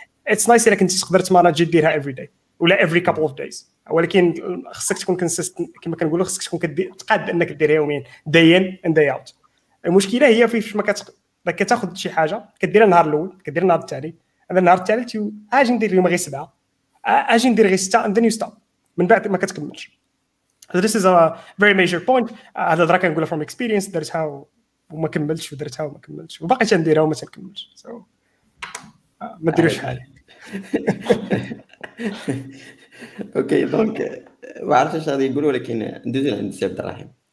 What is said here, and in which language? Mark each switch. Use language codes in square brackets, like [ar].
[en] it's nice [ar] الا كنتي تقدر تمانجي ديرها [en] every day ولا every couple of days, [ar] ولكن خصك تكون كونسيستنت كما كنقولوا خصك تكون تقاد انك ديرها يومين دايين اند داي اوت. المشكله هي في فاش ما كتاخذ شي حاجه كديرها النهار الاول كديرها النهار الثاني هذا النهار الثالث اجي ندير اليوم غير 7 اجي ندير غير 6 [en] and then you stop [ar] من بعد ما كتكملش. [en] This is a very major point. [ar] هذا درا كنقولها [en] from experience. That is how [ar] وما كملتش ودرتها وما كملتش وباقي تنديرها وما تنكملش. So ما ديروش حالي. اوكي دونك ما عرفتش اش غادي يقولوا, ولكن ندوزو عند سي عبد الرحيم.